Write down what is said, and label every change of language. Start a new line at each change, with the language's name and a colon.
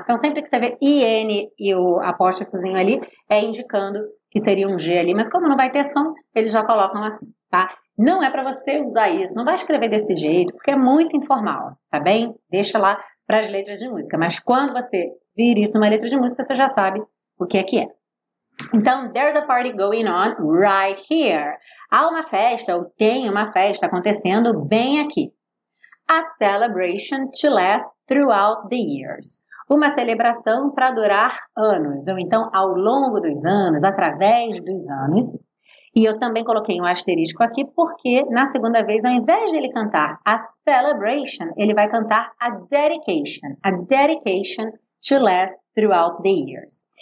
Portuguese: Então sempre que você vê IN e o apóstrofozinho ali, é indicando que seria um G ali, mas como não vai ter som, eles já colocam assim, tá? Não é para você usar isso, não vai escrever desse jeito, porque é muito informal, tá bem? Deixa lá para as letras de música, mas quando você vir isso numa letra de música, você já sabe o que é que é.
English: Então, there's a party going on right here.
Portuguese: Há uma festa, ou tem uma festa acontecendo bem aqui.
English: A celebration to last throughout the years.
Portuguese: Uma celebração para durar anos, ou então ao longo dos anos, através dos anos. E eu também coloquei um asterisco aqui, porque na segunda vez, ao invés de ele cantar a celebration, ele vai cantar
English: a dedication to last throughout the years.